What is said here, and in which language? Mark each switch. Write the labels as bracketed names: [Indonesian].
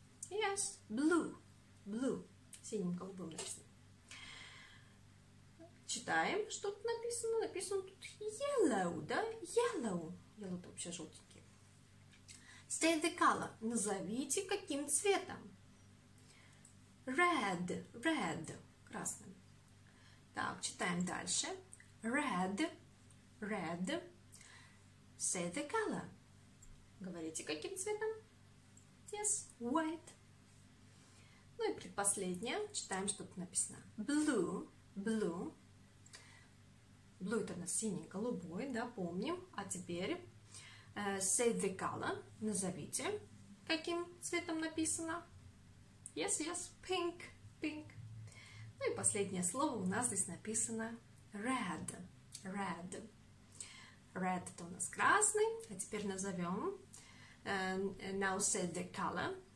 [English] Yes, blue, blue, [Russian] синим голубым написано. Читаем, что тут написано. Написано тут yellow, да? Yellow, yellow это вообще желтенький. [English] Say the color, [Russian] назовите каким цветом. [English] Red, red, красным. [Russian] Так, читаем дальше. Red, red. [English] Say the color. [Russian] Говорите, каким цветом? [English] Yes, white. [Russian] Ну и предпоследнее. Читаем, что тут написано. [English] Blue, blue. [Russian] Blue это у нас синий, голубой, да, помним. А теперь [English] say the color. [Russian] Назовите, каким цветом написано. [English] Yes, yes, pink, pink. [Russian] Ну и последнее слово у нас здесь написано red, red. Red это у нас красный, а теперь назовем. [English] Now say the color.